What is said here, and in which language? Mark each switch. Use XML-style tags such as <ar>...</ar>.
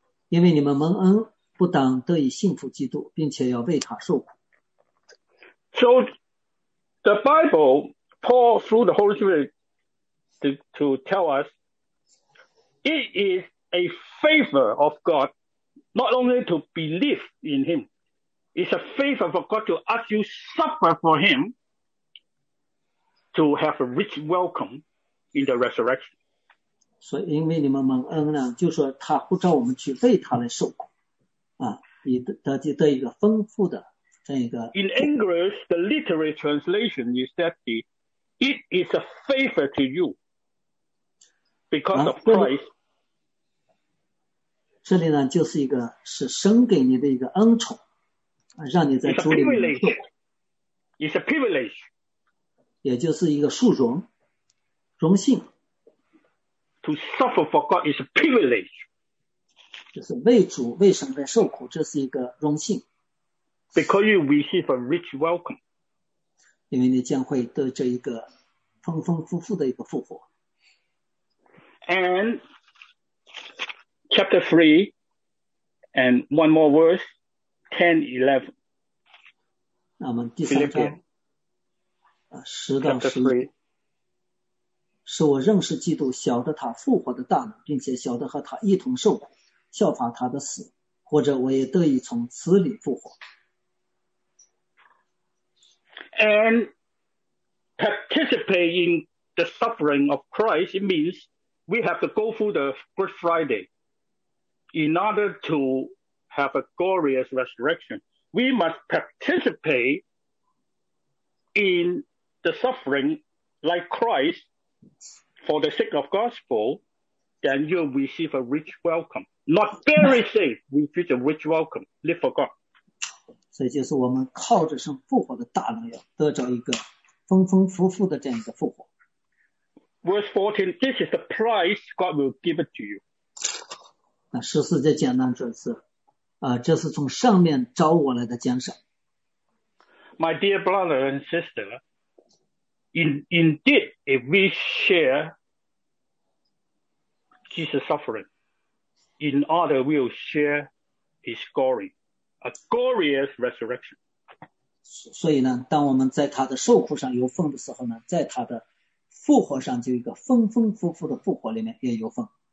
<zh>因为你们蒙恩，不当得以信服基督，并且要为他受苦。</zh> <en>So, the Bible, Paul through the Holy Spirit, to tell us, it is a favor of God. Not only to believe in him, it's a favor for God to ask you suffer for him to have a rich welcome in the resurrection.</en> <zh>所以因为你们蒙恩呢，就是他呼召我们去为他来受苦，啊，以得一个丰富的这一个。</zh> <en>In English, the literary translation is that it is a favor to you because of Christ.</en> <zh>这里呢，就是一个是神给你的一个恩宠，让你在主里面受苦。</zh> <en>It's a privilege，</en> <zh>也就是一个殊荣、荣幸。</zh> <en>To suffer for God is a privilege，</en> <zh>就是为主、为神在受苦，这是一个荣幸。</zh> <en>Because you receive a rich welcome，</en> <zh>因为你将会得这一个丰丰富富的一个复活。</zh> <en>And Chapter 3, and one more verse, 10-11.</en> <zh>那我们第三章，10-11, 使我认识基督，晓得他复活的大能，并且晓得和他一同受苦，效法他的死，或者我也得以从死里复活。</zh> <en>And participate in the suffering of Christ, it means we have to go through the Good Friday.In order to have a glorious resurrection. We must participate in the suffering like Christ for the sake of gospel, then you'll receive a rich welcome. Not very safe, receive a rich welcome. Live for God.</en> <zh>所以就是我们靠着圣复活的大能要得着一个丰丰富富的这样一个复活。</zh> <en>Verse 14, this is the price God will give it to you.</en> <zh>那十四节讲到这次这是从上面招我来的奖赏。</zh> <en>My dear brother and sister, indeed, if we share Jesus' suffering, in order we'll share his glory, a glorious resurrection.</en> <zh>所以呢，当我们在他的受苦上有份的时候呢，在他的复活上就一个丰丰富富的复活里面也有份。</zh>